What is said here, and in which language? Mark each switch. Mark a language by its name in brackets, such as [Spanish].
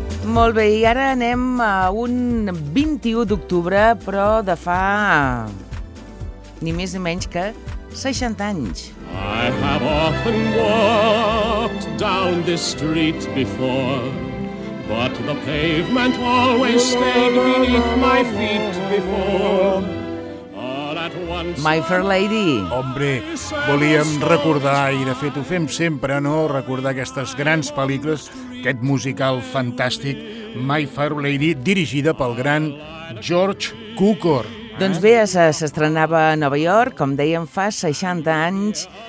[Catalan] Molt bé, i ara anem a un 21 d'octubre, però de fa ni més ni menys que 60 anys. [English] I have often walked down this street before, but the pavement always stayed beneath my feet before. My Fair Lady. [Catalan] Hombre, volíem recordar, i de fet ho fem sempre, no?, recordar aquestes grans pel·lícules, aquest musical fantàstic My Fair Lady, dirigida pel gran George Cukor. Doncs bé, s'estrenava a Nova York, com dèiem, fa 60 anys.